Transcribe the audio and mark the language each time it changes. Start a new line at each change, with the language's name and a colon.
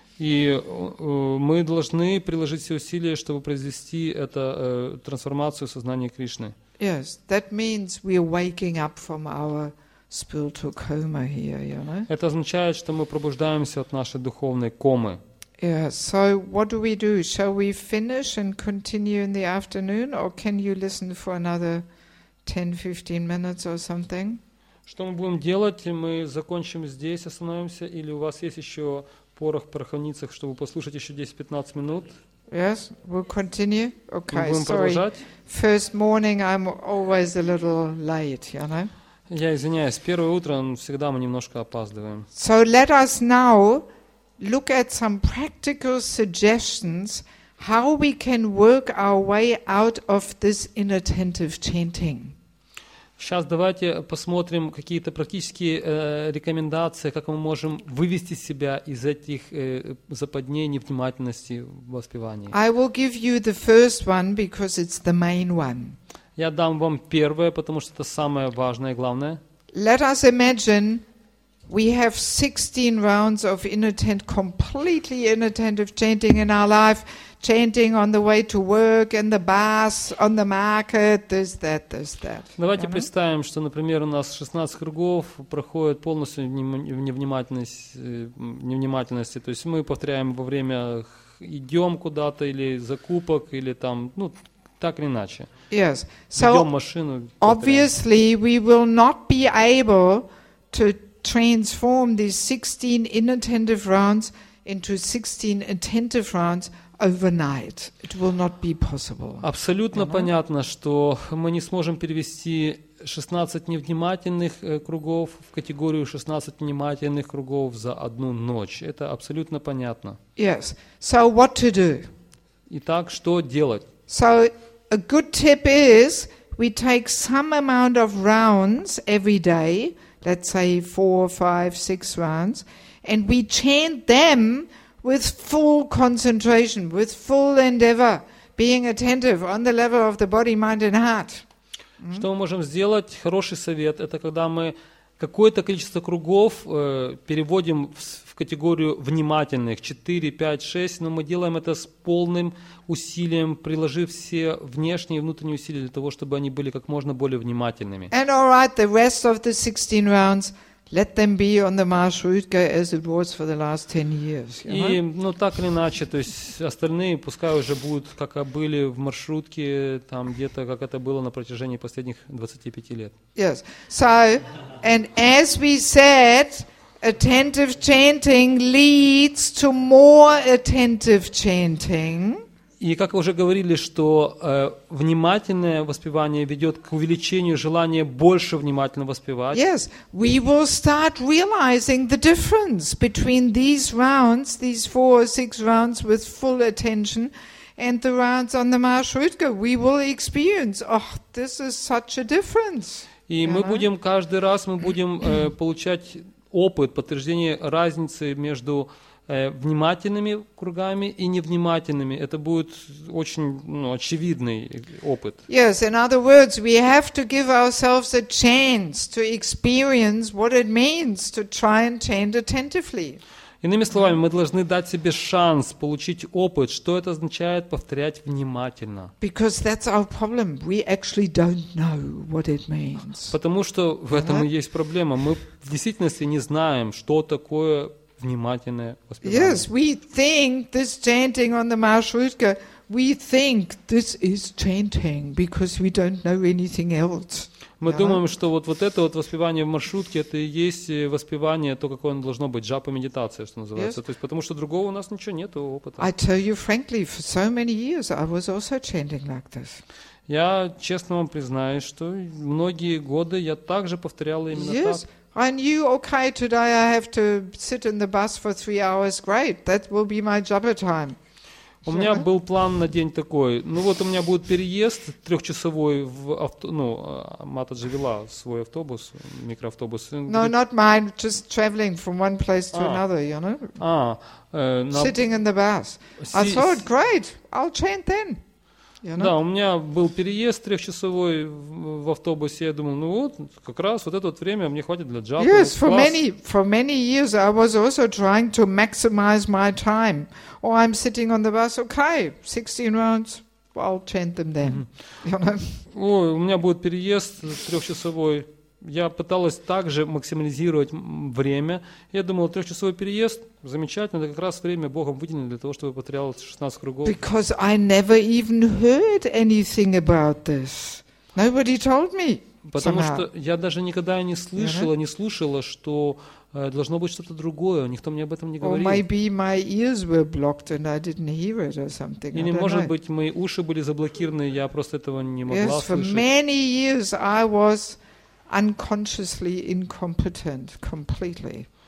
Russian: И мы должны приложить все усилия, чтобы произвести эту трансформацию сознания Кришны.
English: Yes, that means we are waking up from our spiritual coma here, you know?
Russian: Это означает, что мы пробуждаемся от нашей духовной комы.
English: Yeah, so what do we do? Shall we finish and continue in the afternoon, or can you listen for another 10-15 minutes or something?
Russian: Что мы будем делать? Мы закончим здесь, остановимся, или у вас есть еще порох в пороховницах, чтобы послушать еще 10-15 минут?
English: Yes, we'll continue. Okay,
Russian: мы будем
English: sorry.
Russian: Продолжать.
English: First morning, I'm always a little late, you know?
Russian: Я извиняюсь, первое утро, но всегда мы немножко опаздываем.
English: So let us now look at some practical suggestions how we can work our way out of this inattentive chanting.
Russian: Сейчас давайте посмотрим какие-то практические рекомендации, как мы можем вывести себя из этих западней невнимательности в воспевании.
English: I will give you the first one because it's the main one.
Russian: Я дам вам первое, потому что это самое важное и главное.
English: Let us imagine we have 16 rounds of inattentive, completely inattentive chanting in our life, chanting on the way to work, in the bus, on the market, this, that, this, that.
Russian: Давайте представим, что, например, у нас 16 кругов проходит полностью невнимательности. То есть мы повторяем во время идем куда-то или закупок, или там, ну, так или иначе.
English: Yes.
Russian: So машину,
English: obviously we will not be able to transform these 16 inattentive rounds into 16 attentive rounds overnight. It will not be possible.
Russian: Абсолютно понятно, что мы не сможем перевести 16 невнимательных кругов в категорию 16 внимательных кругов за одну ночь. Это абсолютно понятно.
English: Yes. So what to do?
Russian: Итак, что делать?
English: So a good tip is we take some amount of rounds every day, let's say 4, 5, 6 rounds, and we chant them with full concentration, with full endeavor, being attentive on the level of the body, mind and heart.
Russian: Что мы можем сделать? Хороший совет – это когда мы какое-то количество кругов переводим в категорию внимательных, 4, 5, 6, но мы делаем это с полным усилием, приложив все внешние и внутренние усилия для того, чтобы они были как можно более внимательными.
English: And all right, the rest of the 16 rounds, let them be on the marshrut as it was for the last 10 years.
Russian: И, ну, так или иначе, то есть остальные пускай уже будут, как были в маршрутке, там где-то, как это было на протяжении последних 25 лет.
English: Yes. So, and as we said, attentive chanting leads to more attentive chanting.
Russian: И как вы уже говорили, что внимательное воспевание ведет к увеличению желания больше внимательно воспевать.
English: Yes, we will start realizing the difference between these rounds, these four or six rounds with full attention, and the rounds on the Marshrutka. We will experience, oh, this is such a difference.
Russian: И мы будем каждый раз, мы будем получать опыт, подтверждение разницы между внимательными кругами и невнимательными. Это будет очень, ну, очевидный опыт.
English: Yes, in other words, we have to give ourselves a chance to experience what it means to try and chant attentively.
Russian: Иными словами, мы должны дать себе шанс получить опыт, что это означает повторять внимательно.
English: Because that's our problem. We actually don't know what it means.
Russian: Потому что в этом и есть проблема. Мы в действительности не знаем, что такое внимательное воспевание.
English: Yes, we think this chanting on the Marshrutka, we think this is chanting because we don't know anything else.
Russian: Мы думаем, что вот это вот воспевание в маршрутке, это и есть воспевание, то, какое оно должно быть, джапа-медитация, что называется.
English: Yes.
Russian: То есть, потому что другого у нас ничего нет, опыта.
English: I tell you frankly, for so many years I was also chanting like this.
Russian: Я честно вам признаюсь, что многие годы я также повторял именно
English: yes.
Russian: так.
English: I knew, okay, today I have to sit in the bus for 3 hours. Great, that will be my japa time.
Russian: У меня был план на день такой. Ну вот у меня будет переезд трехчасовой в авто. Ну, Матаджи вела свой автобус, микроавтобус.
English: No, not mine. Just traveling from one place to another, you know. Sitting in the bus. I thought, great, I'll chant then. You know?
Russian: Да, у меня был переезд трехчасовой в автобусе. Я думал, ну вот, как раз вот это вот время мне хватит для джапы.
English: Yes, for many years I was also trying to maximize my time. Or I'm sitting on the bus, okay, 16 rounds, I'll chant them then. You know?
Russian: Ой, у меня будет переезд трехчасовой. Я пыталась также максимализировать время. Я думал, трехчасовой переезд, замечательно, это как раз время Богом выделено для того, чтобы повторял 16 кругов.
English: Because I never even heard anything about this. Nobody told me.
Russian: Потому что я даже никогда не слышала, не слушала, что должно быть что-то другое. Никто мне об этом не говорил.
English: Or maybe my ears were blocked and I didn't hear it or something.
Russian: Или, может быть, мои уши были заблокированы, я просто этого не могла слышать.
English: Yes, for many years I was unconsciously incompetent completely.